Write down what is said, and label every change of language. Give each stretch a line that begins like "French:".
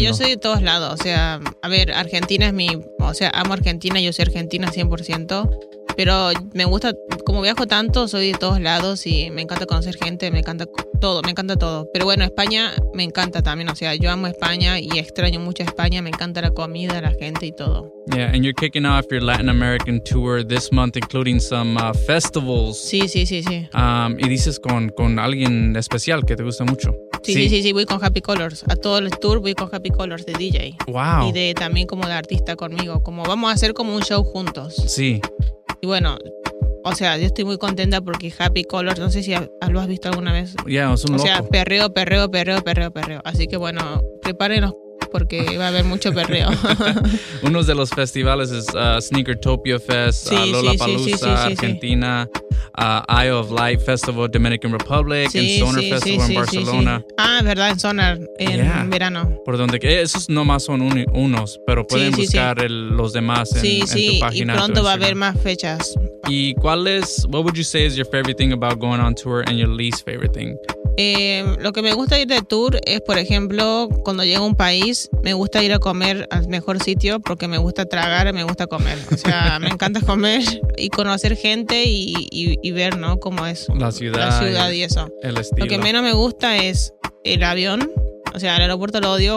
Spanish: Sí, yo soy de todos lados. O sea, a ver, Argentina es mi... O sea, amo Argentina, yo soy argentina 100%. Pero me gusta, como viajo tanto, soy de todos lados y me encanta conocer gente, me encanta todo. Pero bueno, España me encanta también, o sea, yo amo España y extraño mucho a España, me encanta la comida, la gente y todo.
English: Yeah, and you're kicking off your Latin American tour this month, including some festivals.
Spanish: Sí. Y dices con alguien especial que te gusta mucho. Sí, voy con Happy Colors. A todo el tour voy con Happy Colors de DJ.
English: Wow.
Spanish: Y de también como de artista conmigo, como vamos a hacer como un show juntos. Sí. Y bueno, o sea, yo estoy muy contenta porque Happy Colors, no sé si lo has visto alguna vez. Ya, yeah, es un o loco. O sea, perreo. Así que bueno, prepárenos porque va a haber mucho perreo. Unos de los festivales es Sneakertopia Fest, sí, Lollapalooza, sí, Argentina, sí.
English: Eye of Light Festival, Dominican Republic, sí, and Sonar Festival en Barcelona. Sí,
Spanish: sí. Ah, verdad, en Sonar, en verano. Por donde que esos nomás son unos, pero pueden buscar los demás en, sí, en tu página. Sí, y pronto va a haber más fechas. ¿Y cuál es,
English: what would you say is your favorite thing about going on tour and your least favorite thing?
Spanish: Lo que me gusta ir de tour es, por ejemplo, cuando llego a un país, me gusta ir a comer al mejor sitio porque me gusta tragar y me gusta comer. O sea, me encanta comer y conocer gente y ver, ¿no? Cómo es la ciudad y eso. El estilo. Lo que menos me gusta es el avión. O sea, el aeropuerto lo odio.